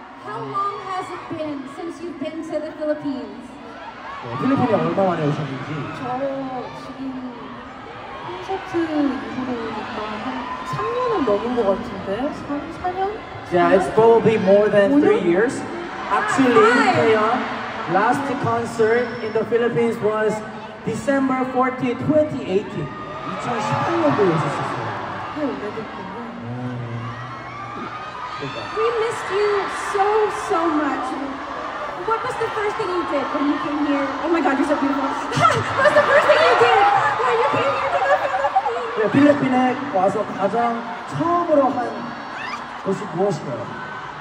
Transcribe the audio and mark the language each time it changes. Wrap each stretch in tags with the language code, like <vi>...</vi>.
<en>How long has it been since you've been to the Philippines?</en> <ko>필리핀에 얼마 만에 오셨는지. 저 지금 콘서트 이후로니까 한 3년은 넘은 것 같은데. 4년?</ko> <en>Yeah, it's probably more than 3 years. Actually, Taeyeon, last concert in the Philippines was December 14, 2018.</en> <ko>2018년도에 있었어요.</ko> <en>네, We missed you so, so much. What was the first thing you did when you came here? Oh my God, you're so beautiful. What was the first thing you did when you came here to the Philippines?</en> <ko>네, 필리핀에 와서 가장 처음으로 한 것이 무엇인가요?</ko>